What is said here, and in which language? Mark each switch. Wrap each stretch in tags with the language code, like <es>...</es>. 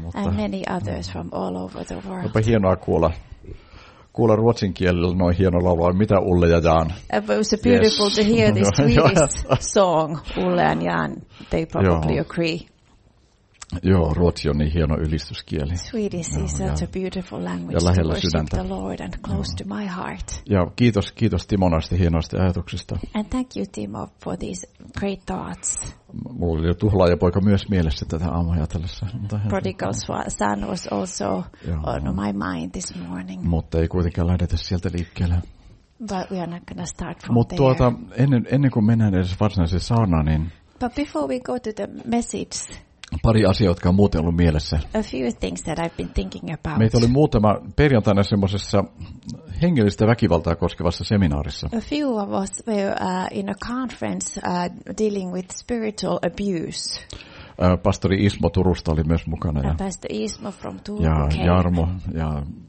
<fi>Mutta</fi> <en>and many others from all over the world.</en> <fi>Onpa hienoa kuulla. Kuulla ruotsin kielellä noin hieno laulua, mitä Ulle ja Jan.</fi> <en>It was beautiful, yes, to hear this Swedish song, Ulle and Jan. They probably agree.</en> <fi>Joo, ruotsi on niin hieno ylistyskieli.</fi> <en>Swedish is such a beautiful language.</en> <fi>Ja lähellä</fi> <en>to worship</en> <fi>sydäntä.</fi> <en>The Lord and close to my heart.</en> <fi>Ja kiitos Timo näistä hienoista ajatuksista.</fi> <en>And thank you Timo for these great thoughts.</en> <fi>Mulla oli jo tuhlaajapoika myös mielessä tätä aamuja tällässä.</fi> <en>Prodigal son was also on my mind this morning.</en> <fi>Mutta ei kuitenkaan lähdetä sieltä liikkeelle.</fi> <en>But we are not going to start from</en> <fi>Mutta ennen kuin mennään edes varsinaiseen saunaan, niin</fi> <en>but before we go to the message,</en> <fi>pari asiaa, jotka on muuten ollut mielessä.</fi> <en>A few things that I've been thinking about.</en> <fi>Meitä oli muutama perjantaina semmoisessa hengellistä väkivaltaa koskevassa seminaarissa.</fi> <en>A few of us were in a conference dealing with spiritual abuse.</en> <fi>Pastori Ismo Turusta oli myös mukana.</fi> <en>And Pastor Ismo from Turku.</en> <fi>Ja Jarmo ja</fi>